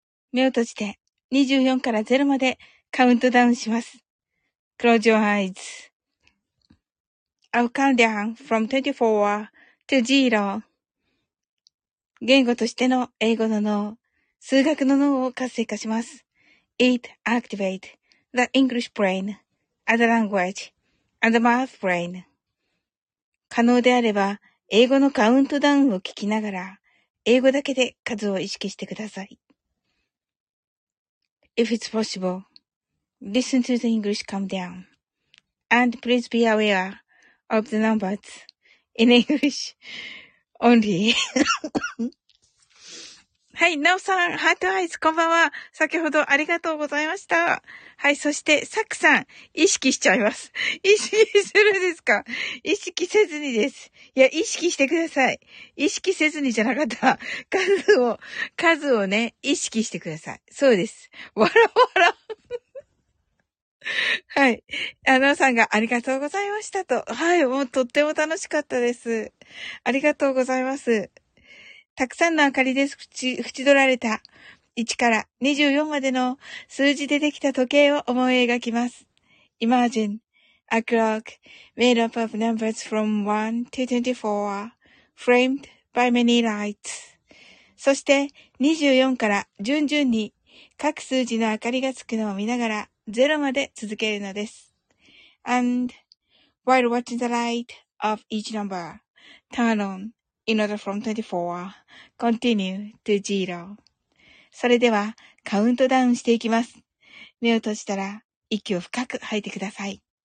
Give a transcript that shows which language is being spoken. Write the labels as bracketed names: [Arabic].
[Japanese] 目を閉じて24から0までカウントダウンします。 [English] Close your eyes. I'll count down from 24 to 0. [Japanese] 言語としての英語の脳、数学の脳を活性化します。 [English] It activates the English brain as a language and the math brain. [Japanese] 可能であれば、英語のカウントダウンを聞きながら、英語だけで数を意識してください。 [English] If it's possible, listen to the English countdown. And please be aware of the numbers in English only. [Japanese] はい、ナオさん、ハートアイズ、こんばんは。先ほどありがとうございました。はい、そして、サクさん、意識しちゃいます。意識するんですか？意識せずにです。いや、意識してください。意識せずにじゃなかったら、数をね、意識してください。そうです。わらわら。はい。ナオさんがありがとうございましたと。はい、もうとっても楽しかったです。ありがとうございます。たくさんの明かりで縁取られた1から24までの数字でできた時計を思い描きます。 [English] Imagine a clock made up of numbers from 1 to 24 framed by many lights. [Japanese] そして24から順々に各数字の明かりがつくのを見ながら0まで続けるのです。 [English] And while watching the light of each number, turn on. In order from 24, continue to zero. [Japanese] それでは、カウントダウンしていきます。目を閉じたら、息を深く吐いてください。